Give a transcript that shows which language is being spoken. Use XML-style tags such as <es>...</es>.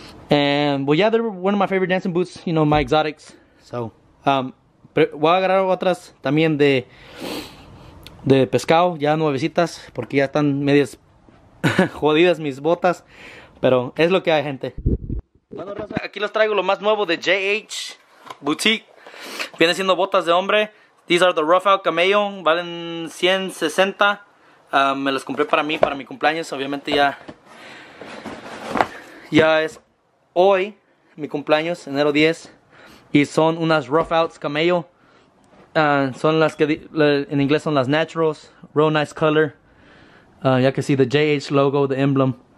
<en>And, well, yeah, they're one of my favorite dancing boots, you know, my exotics.</en> <es>So, voy a agarrar otras también de pescado, ya nuevecitas, porque ya están medias jodidas mis botas. Pero es lo que hay, gente. Bueno, Rosa, aquí les traigo lo más nuevo de JH Boutique. Viene siendo botas de hombre. These are the Rough Out Camello, valen $160. Me los compré para mi cumpleaños. Obviamente ya es hoy mi cumpleaños, enero 10. Y son unas Rough Outs Camello. Son las que en inglés son las Naturals.</es> <en>Real nice color. You can see the JH logo, the emblem.</en>